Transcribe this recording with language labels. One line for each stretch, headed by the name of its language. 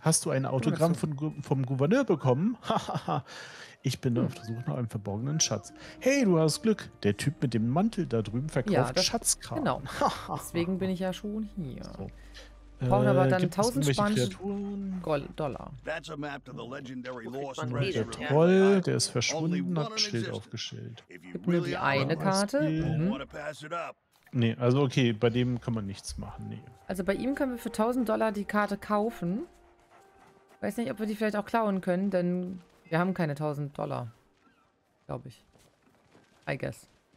German: Hast du ein Autogramm vom Gouverneur bekommen? Hahaha. Ich bin auf der Suche nach einem verborgenen Schatz. Hey, du hast Glück. Der Typ mit dem Mantel da drüben verkauft Schatzkram. Genau. Deswegen bin ich ja schon hier. So. Brauchen aber dann 1000 spanische Dollar.
English: That's a map to the legendary lost treasure.
German: Der Troll, der ist verschwunden, hat ein Schild aufgestellt. Gib mir die eine Karte. Nee, also okay, bei dem kann man nichts machen, nee. Also bei ihm können wir für 1000 Dollar die Karte kaufen. Weiß nicht, ob wir die vielleicht auch klauen können, denn wir haben keine 1000 Dollar. Glaube ich.
English: I guess.